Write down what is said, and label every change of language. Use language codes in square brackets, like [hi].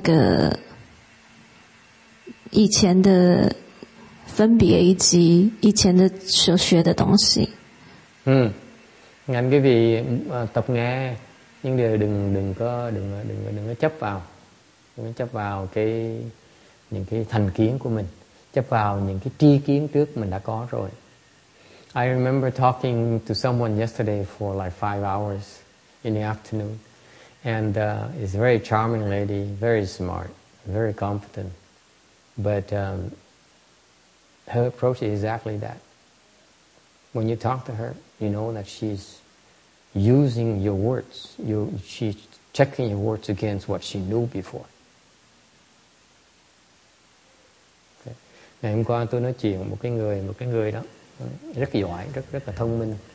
[zh] 所以你学着去听而不会去想到这个以前的 分别以及以前的所学的东西. [vi] Ngành quý vị tập nghe nhưng đều đừng có chấp vào. Đừng có chấp vào những cái thành kiến của mình, chấp vào những cái tri kiến trước mình đã có rồi. [en] I remember talking to someone yesterday for like 5 hours in the afternoon, and it's a very charming lady, very smart, very competent, but her approach is exactly that. When you talk to her, you know that she's using your words. She's checking your words against what she knew before. Okay. [vi] Ngày hôm qua tôi nói chuyện với một cái người đó rất giỏi, rất là thông minh.